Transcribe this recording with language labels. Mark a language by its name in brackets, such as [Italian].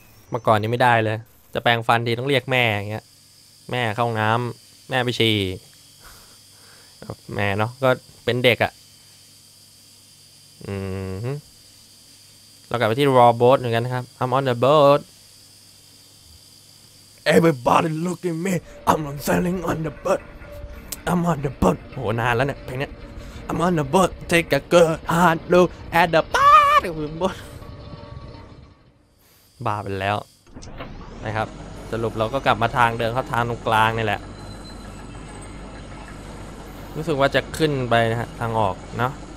[Thai] เมื่อก่อนนี้ไม่ได้เลยจะแปรงฟันทีต้องเรียกแม่อย่างเงี้ยแม่เข้าห้องน้ำแม่ไปฉี่แม่เนาะก็เป็นเด็กอ่ะเรากลับไปที่ raw boat เหมือนกันครับ [English] I'm on the boat Everybody look at me I'm sailing on the boat I'm on the boat [Thai] โหนานแล้วเนี่ยเพลงเนี้ย [English] I'm on the boat take a good hard look at the boat [Thai] บนบนบาไปแล้วนะครับสรุปเราก็กลับมาทางเดินเข้าทางตรงกลางนี่แหละรู้สึกว่าจะขึ้นไปนะฮะทางออกเนาะ